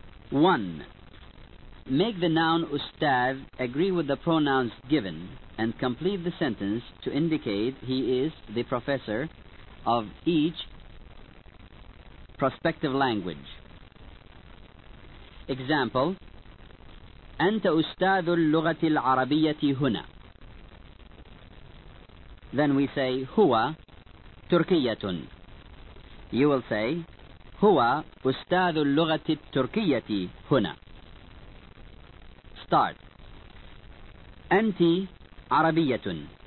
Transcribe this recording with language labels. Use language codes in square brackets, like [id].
[en] 1. Make the noun ustad agree with the pronouns given and complete the sentence to indicate he is the professor of each prospective language. Example: [ar] أنت أستاذ اللغة العربية هنا. [en] Then we say [ar] هو تركية. [en] You will say [ar] هو أستاذ اللغة التركية هنا. [en] Start. [ar] أنت عربية.